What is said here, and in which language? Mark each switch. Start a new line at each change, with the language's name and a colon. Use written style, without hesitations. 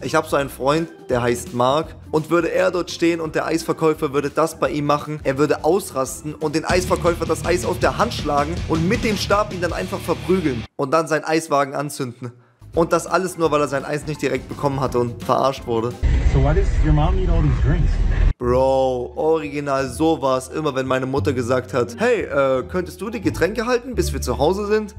German: Ich habe so einen Freund, der heißt Mark. Und würde er dort stehen und der Eisverkäufer würde das bei ihm machen, er würde ausrasten und den Eisverkäufer das Eis aus der Hand schlagen und mit dem Stab ihn dann einfach verprügeln und dann seinen Eiswagen anzünden. Und das alles nur, weil er sein Eis nicht direkt bekommen hatte und verarscht wurde.
English: So why does your mom need all these drinks?
German: Bro, original, so war es immer, wenn meine Mutter gesagt hat, hey, könntest du die Getränke halten, bis wir zu Hause sind?